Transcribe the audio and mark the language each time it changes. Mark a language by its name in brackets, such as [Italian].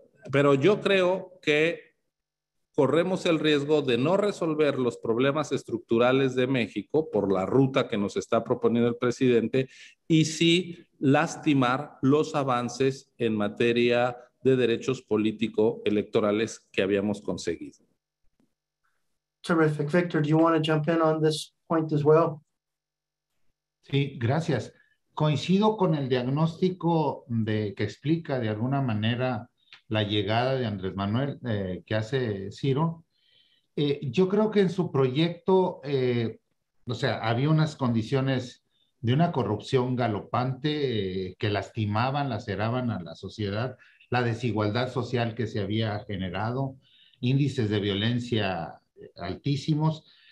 [Spanish] Pero yo creo que corremos el riesgo de no resolver los problemas estructurales de México por la ruta que nos está proponiendo el presidente y sí lastimar los avances en materia de derechos político-electorales que habíamos conseguido. [English] Terrific. Victor, do you want to jump in on this point as well? [Spanish] Sí, gracias. Coincido con el diagnóstico que explica de alguna manera la llegada de Andrés Manuel que hace Ciro. Yo creo que en su proyecto, había unas condiciones de una corrupción galopante que lastimaban, laceraban a la sociedad, la desigualdad social que se había generado, índices de violencia altísimos.